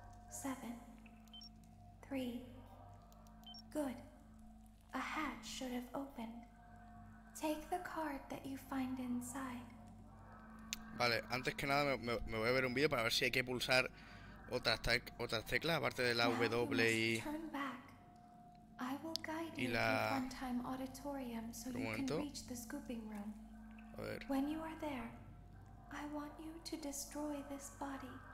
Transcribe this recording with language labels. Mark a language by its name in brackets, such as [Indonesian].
[English] 7, 5, 4, 9, 2, 2, 2, 8, 7, 3. Good. A hatch should have opened. Take the card that you find inside. [Spanish] Vale, antes que nada me voy a ver un vídeo para ver si hay que pulsar otras teclas aparte de la W y [English] turn back. I will guide you to Funtime Auditorium so you can reach the scooping room. [Spanish] A ver. [English] When you are there, I want you to destroy this body.